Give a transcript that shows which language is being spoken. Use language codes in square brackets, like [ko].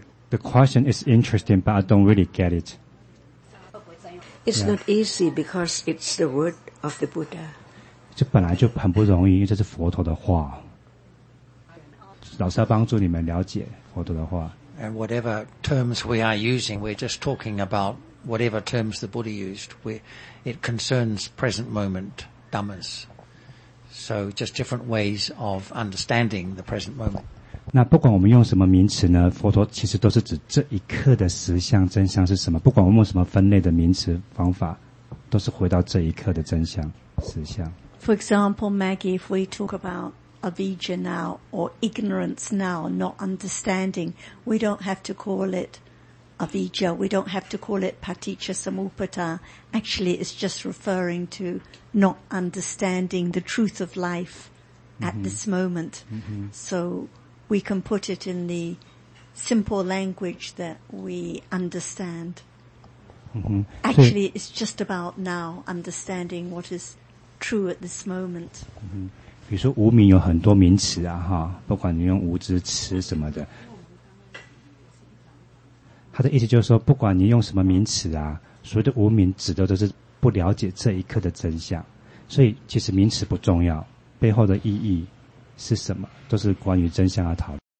[en] The question is interesting, but I don't really get it. It's not easy because it's the word of the Buddha. [zh] 这本来就很不容易，因为这是佛陀的话。老师要帮助你们了解佛陀的话。 [en] And whatever terms we are using, we're just talking about whatever terms the Buddha used. It concerns present moment dhammas. So just different ways of understanding the present moment. [zh] 那不管我们用什么名词呢，佛陀其实都是指这一刻的实相真相是什么。不管我们用什么分类的名词方法，都是回到这一刻的真相实相。 [en] For example, Maggie, if we talk about avijja now or ignorance now, not understanding, we don't have to call it avijja. We don't have to call it paticca samuppada. Actually, it's just referring to not understanding the truth of life at this moment. So we can put it in the simple language that we understand. Actually, it's just about now understanding what is true at this moment. [zh] 比如说无明有很多名词啊，哈，不管你用无知、痴什么的，他的意思就是说，不管你用什么名词啊，所谓的无明指的都是不了解这一刻的真相。所以其实名词不重要，背后的意义是什么，都是关于真相的讨论。